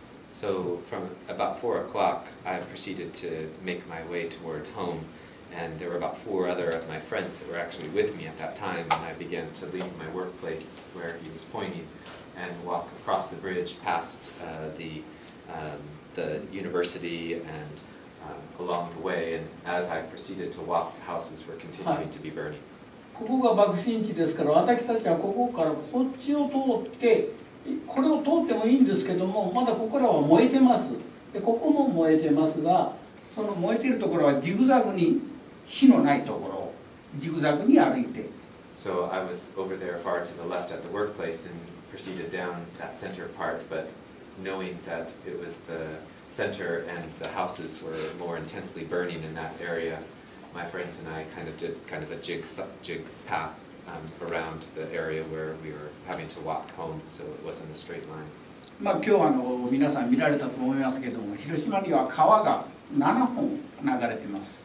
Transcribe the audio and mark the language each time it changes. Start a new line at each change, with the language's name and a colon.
English: So from about 4 o'clock, I proceeded to make my way towards home, and there were about 4 other of my friends that were actually with me at that time, and I began to leave my workplace where he was pointing. And walk across the bridge past the university and along the way. And as I proceeded to walk, houses were continuing to be burning.
Japanese: ここが爆心地ですから、私たちはここからこっちを通って、これを通ってもいいんですけども、まだここらは燃えてます。で、ここも燃えてますが、その燃えているところはジグザグに火のないところ、ジグザグに歩いて。
English: So I was over there far to the left at the workplace and proceeded down that center part, but knowing that it was the center, and the houses were more intensely burning in that area. My friends and I kind of did kind of a jig path around the area where we were having to walk home, so it wasn't a straight line.